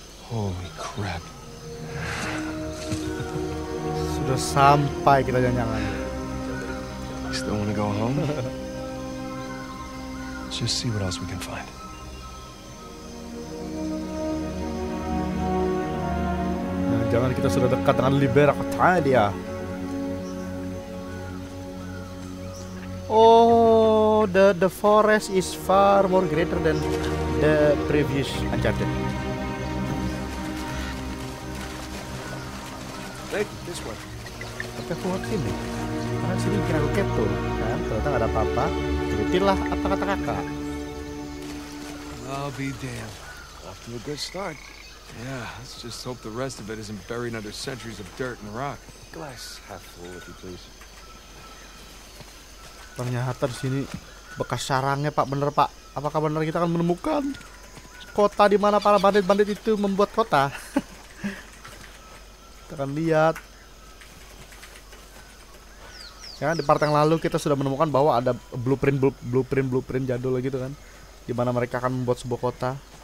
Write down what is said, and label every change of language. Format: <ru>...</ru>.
<en>Holy crap.</en> <id>Sudah sampai kita jalan-jalan.</id> <en>Still wanna go home? just see what else we can find.</en> <id>Jangan, kita sudah dekat dengan Libera Catalia.</id> <en>Oh, the forest is far more greater than the previous Uncharted.</en> <id>Tapi aku ngerti nih, karena sini bikin aku kepo kan, ternyata gak ada apa-apa. Ikutilah apa kata kakak.</id> <en>I'll be damned. Off to a good start. Yeah, let's just hope the rest of it isn't buried under centuries of dirt and rock. Glass half full, if you please.</en> <id>Ternyata di sini bekas sarangnya, Pak. Bener, Pak. Apakah benar kita akan menemukan kota di mana para bandit-bandit itu membuat kota? Kita akan lihat. Ya, di part yang lalu kita sudah menemukan bahwa ada blueprint jadul gitu kan, di mana mereka akan membuat sebuah kota.</id>